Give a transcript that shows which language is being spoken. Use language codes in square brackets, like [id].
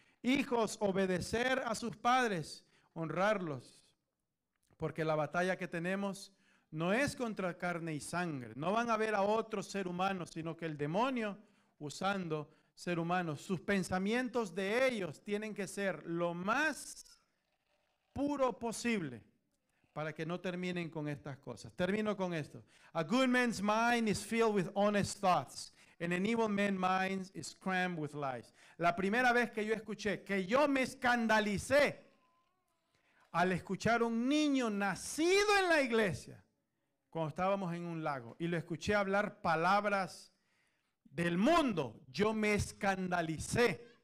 [es] Hijos, obedecer a sus padres, honrarlos, porque la batalla que tenemos no es contra carne y sangre. No van a ver a otro ser humano, sino que el demonio usando ser humano. Sus pensamientos de ellos tienen que ser lo más puro posible para que no terminen con estas cosas. Termino con esto. [en] A good man's mind is filled with honest thoughts. And an evil man's mind is crammed with lies. [es] La primera vez que yo escuché, que yo me escandalicé al escuchar un niño nacido en la iglesia, cuando estábamos en un lago, y lo escuché hablar palabras del mundo, yo me escandalicé.